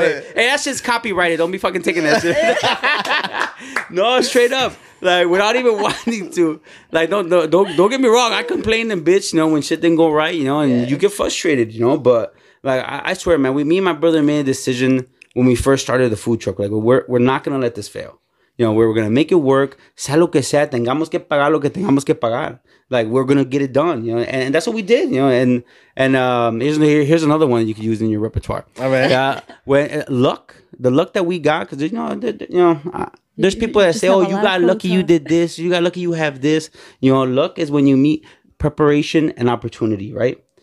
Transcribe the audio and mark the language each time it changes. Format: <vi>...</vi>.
<en>Hey, that shit's copyrighted. Don't be fucking taking that shit. No, straight up. Like, without even wanting to, like, don't get me wrong. I complained and bitch, you know, when shit didn't go right, you know, and you get frustrated, you know. But like, I swear, man, me and my brother made a decision when we first started the food truck. Like, we're not gonna let this fail, you know. We're gonna make it work.</en> <es>Sea lo que sea, tengamos que pagar lo que tengamos que pagar.</es> <en>Like, we're gonna get it done, you know. And that's what we did, you know. And here's another one you could use in your repertoire. All right. Yeah. The luck that we got, because you know. There's people that say, oh, you got lucky you did this. You got lucky you have this. You know, luck is when you meet preparation and opportunity, right?</en>